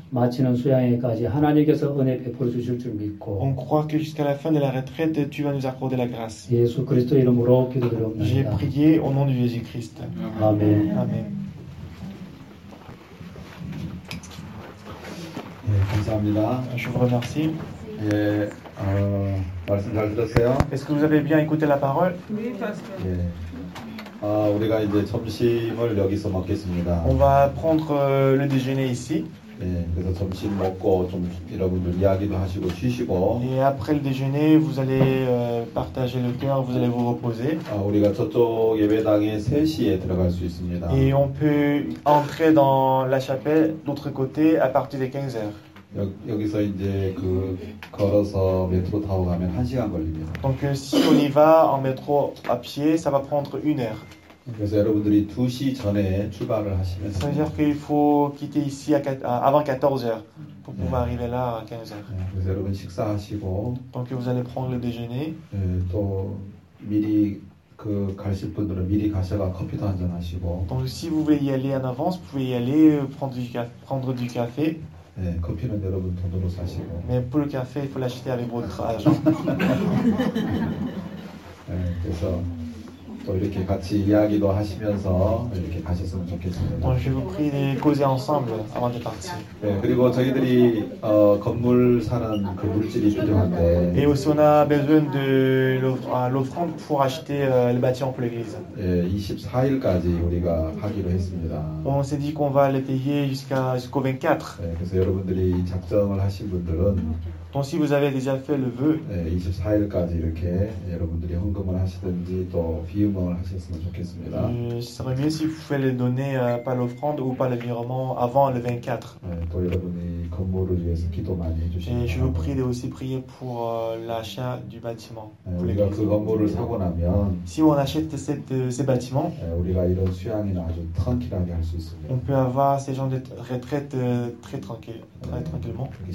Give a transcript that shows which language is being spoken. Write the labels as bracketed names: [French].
[Korean] 마치는 수양회까지 하나님께서 은혜 베풀어 주실 줄 믿고. [French] On croit que jusqu'à la fin de la retraite, tu vas nous accorder la grâce. [Korean] 예수 그리스도 이름으로 기도드립니다. [French] J'ai prié au nom de Jésus-Christ. Amen. Amen. [Korean] 네, 감사합니다. [French] Je vous remercie. [Korean] 예. 말씀 잘 들었어요. [French] Est-ce que vous avez bien écouté la parole? Oui, pasteur. [Korean] 예. 아, 우리가 이제 점심을 여기서 먹겠습니다. [French] On va prendre le déjeuner ici. [Korean] 예. 그래서 점심 먹고 좀 여러분들 이야기도 하시고 쉬시고. [French] Et après le déjeuner, vous allez partager le cœur, vous allez vous reposer. [Korean] 아, 우리가 저쪽 예배당에 3시에 들어갈 수 있습니다. [French] Et on peut entrer dans la chapelle d'autre côté à partir des 15h. [Korean] 여기서 이제 그 걸어서 메트로 타고 가면 1시간 걸립니다. [French] Donc si on y va en métro à pied, ça va prendre une heure. [Korean] 그래서 여러분들이 2시 전에 출발을 하시면 [French] Ça veut dire qu'il faut quitter ici avant 14h pour pouvoir arriver là à 15h. [Korean] 그래서 여러분 식사하시고 [French] Donc vous allez prendre le déjeuner. [Korean] 또 미리 그 가실 분들은 미리 가셔서 커피도 한잔 하시고 [French] Donc si vous voulez y aller en avance, vous pouvez y aller prendre du café. [Korean] 네, 커피는 여러분 돈으로 사시고. [French] Mais pour le café, il faut l'acheter avec votre argent. [Korean] 네, 그래서 또 이렇게 같이 이야기도 하시면서 이렇게 가셨으면 좋겠습니다. [French] Donc je vous prie de causer ensemble avant de partir. [Korean] 네, 그리고 저희들이 건물 사는 그 물질이 필요한데. [French] Et aussi on a besoin de l'offrande pour acheter le bâtiment pour l'église. [Korean] 네, 24일까지 우리가 하기로 했습니다. [French] On s'est dit qu'on va le payer jusqu'au 24. [Korean] 네, 그래서 여러분들이 작정을 하신 분들은. [French] Donc si vous avez déjà fait le vœu, [Korean] 네, 24일까지 이렇게 여러분들이 헌금을 하시든지 또 비유망을 하셨으면 좋겠습니다. [French] Ce serait mieux si vous pouvez le donner par l'offrande ou par le virement avant le 24. [Korean] 네, 또 여러분이 건물을 위해서 기도 많이 해주시면 [French] Et je vous prie de aussi prier pour l'achat du bâtiment. [Korean] 네, 우리가 그 건물을 사고 나면 [French] Si on achète ces bâtiments, [Korean] 네, 우리가 이런 수양이나 아주 tranquille하게 할 수 있습니다. [French] On peut avoir ces gens de retraite très tranquille. Très tranquillement.